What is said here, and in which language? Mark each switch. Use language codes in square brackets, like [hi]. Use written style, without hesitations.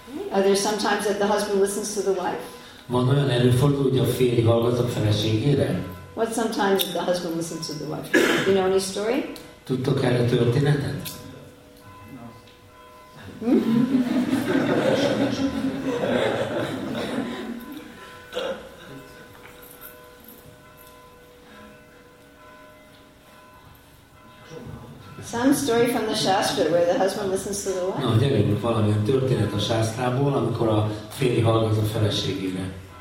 [en] Are there sometimes that the husband listens to the wife? [hu] Van olyan előfordul, hogy a férj hallgat a feleségére? [en] What sometimes the husband listens to the wife? Do you know any story? [hu] Tudtok erre történetet? [en] Some story from the Shastra where the husband listens to the wife. [hu] No, gyerekek, valamilyen történet a Shastrából, amikor a férj hallgat a feleségére.